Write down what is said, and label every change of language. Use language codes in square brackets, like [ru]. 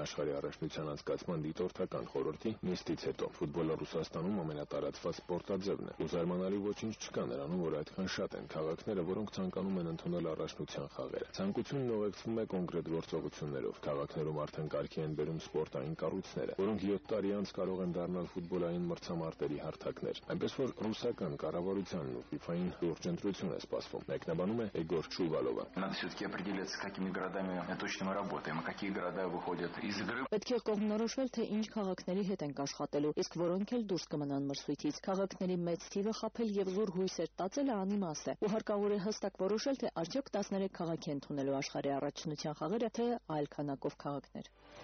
[hy] աշխարհի առաջնության անցկացման դիտորդական խորհրդի նիստից հետո։ Ֆուտբոլը Ռուսաստանում ամենատարածված սպորտաձևն է, ու զարմանալի ոչինչ չկա նրանում, որ այդքան շատ են քաղաքները, որոնք ցանկանում են ընդունել առաջնության խաղերը։ Ցանկությունն ուղեկցվում է կոնկրետ գործողություններով։ Քաղաքներում արդեն կարգի են բերում սպորտային կառույցները, որոնք 7 տարի անց կարող են դառնալ ֆուտբոլային մրցամարտերի հարթակներ։ Այնպես որ ռուսական կառավարությունն ու FIFA-ին լուրջ ընտրություն է սպասվում, մեկնաբանում է Էգոր Չուվալովը։ [ru] Надо всё-таки определиться, с какими городами мы точно работаем, а какие города выходят из игры. [hy] Պետք է կողմնորոշվել, թե ինչ քաղաքների հետ են աշխատելու, իսկ որոնք էլ դուրս կմնան մրցույթից։ Քաղաքների մեծ թիվը խափել եւ զուր հույս է ստացել անիմաստ է, ու հարկավոր է հստակ որոշել, թե արդյոք 13 քաղաք են ընդունելու աշխարհի առաջնության խաղերը, թե այլ քանակով քաղաքներ։